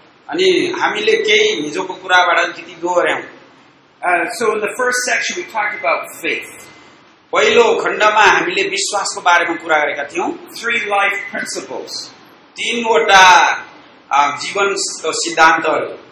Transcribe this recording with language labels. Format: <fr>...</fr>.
<ne>अनि हामीले केही हिजोको कुराबाट अलिकति दोहोर्याउँ.</ne> <en>So in the first section we talked about faith.</en> <ne>पहिलो खण्डमा हामीले विश्वासको बारेमा कुरा गरेका थियौँ.</ne> <en>three life principles,</en> <ne>तीनवटा जीवन सिद्धान्तहरू,</ne>